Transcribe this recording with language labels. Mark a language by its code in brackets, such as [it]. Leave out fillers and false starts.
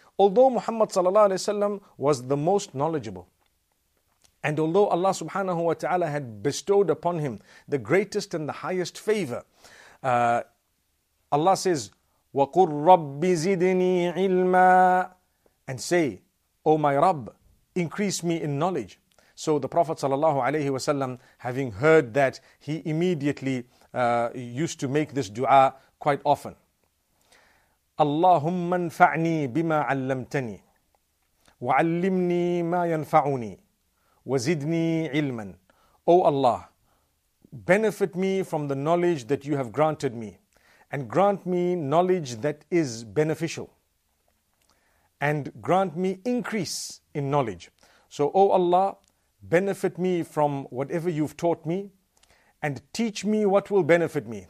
[en] Although Muhammad sallallahu alaihi wasallam was the most knowledgeable, and although Allah subhanahu wa ta'ala had bestowed upon him the greatest and the highest favor, Allah says, [ar] وَقُلْ رَبِّ زِدْنِي عِلْمًا, [en] and say, O my Rabb, increase me in knowledge. So the Prophet sallallahu alaihi wasallam, having heard that, he immediately used to make this dua quite often. [ar] اللهم انفعني بما علمتني وعلمني ما ينفعني وزدني علما. [en] O Allah, benefit me from the knowledge that you have granted me, and grant me knowledge that is beneficial, and grant me increase in knowledge. So O Allah, benefit me from whatever you've taught me, and teach me what will benefit me.